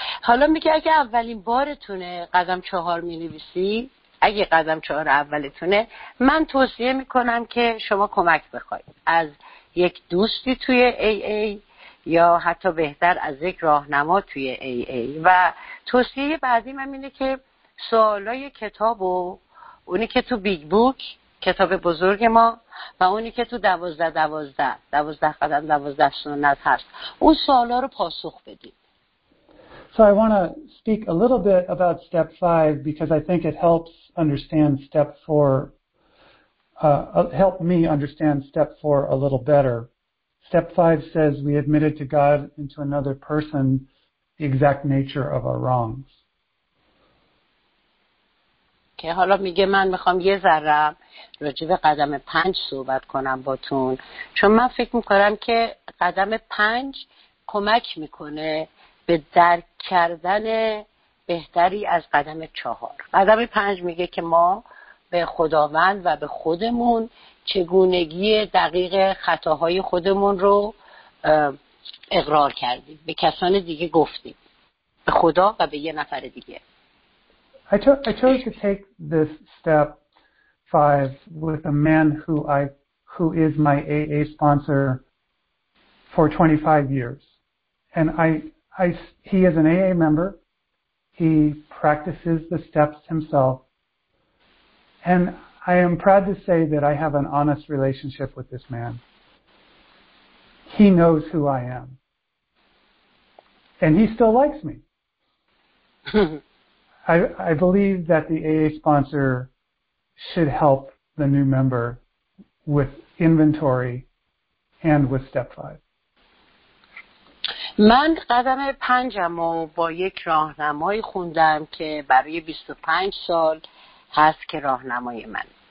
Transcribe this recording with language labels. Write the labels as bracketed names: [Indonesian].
[Persian] حالا میگه اگه اولین بارتونه قدم چهار مینویسی، اگه قدم چهار اولتونه، من توصیه میکنم که شما کمک بخواید از یک دوستی توی AA یا حتی بهتر از یک راهنما توی AA. و توصیه بعدی من اینه که سوالای کتابو، اونی که تو بیگ بوک کتاب بزرگ ما و اونی که تو دوازده دوازده دوازده قدم دوازده سنت هست، اون سوالا رو پاسخ بدید. [English] So I want to speak a little bit about step five because I think it helps understand step four, help me understand step four a little better. Step five says we admitted to God and to another person the exact nature of our wrongs. [Persian] که حالا میگه من میخوام یه ذره راجع به قدم پنج صحبت کنم باتون، چون من فکر میکنم که قدم پنج کمک میکنه به درک کردن بهتری از قدم چهار. قدم پنج میگه که ما به خداوند و به خودمون چگونگی دقیق خطاهای خودمون رو اقرار کردیم، به کسان دیگه گفتیم، به خدا و به یه نفر دیگه. [English] I chose to take this step five with a man who is my AA sponsor for 25 years. And he is an AA member. He practices the steps himself. And I am proud to say that I have an honest relationship with this man. He knows who I am. And he still likes me. I believe that the AA sponsor should help the new member with inventory and with step five. [Persian] من قدم پنجم رو با یک راهنمایی خوندم که برای 25 سال هست که راهنمای من.